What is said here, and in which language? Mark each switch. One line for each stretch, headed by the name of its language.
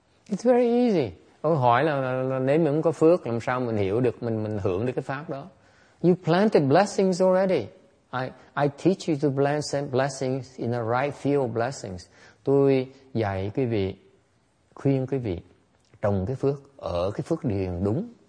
English: It's very easy.
Vietnamese: Ông hỏi là nếu mình có phước, làm sao mình hiểu được, mình hưởng được cái pháp đó.
English: You planted blessings already. I teach you to plant blessings in the right field of blessings.
Vietnamese: Tôi dạy quý vị, khuyên quý vị trồng cái phước ở cái phước điền đúng.